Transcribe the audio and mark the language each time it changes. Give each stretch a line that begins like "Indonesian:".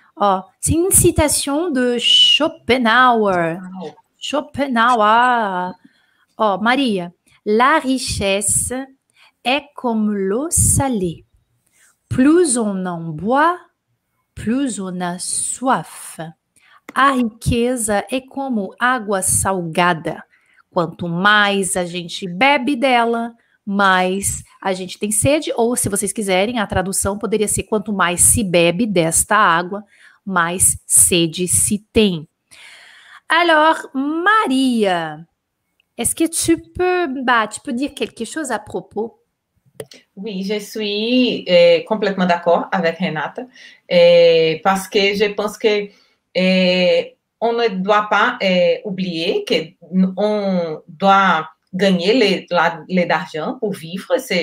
French: Oh, c'est une citation de Schopenhauer. Schopenhauer. Oh, Maria, la richesse est comme l'eau salée. Plus on en boit, plus on a soif.
Portuguese: A riqueza é como água salgada. Quanto mais a gente bebe dela, mais a gente tem sede. Ou, se vocês quiserem, a tradução poderia ser: quanto mais se bebe desta água, mais sede se tem.
French: Alors, Maria, est-ce que tu peux dire quelque chose à propos? Oui, je suis complètement d'accord avec Renata parce que je pense que on ne doit pas oublier qu'on doit gagner l'argent pour vivre.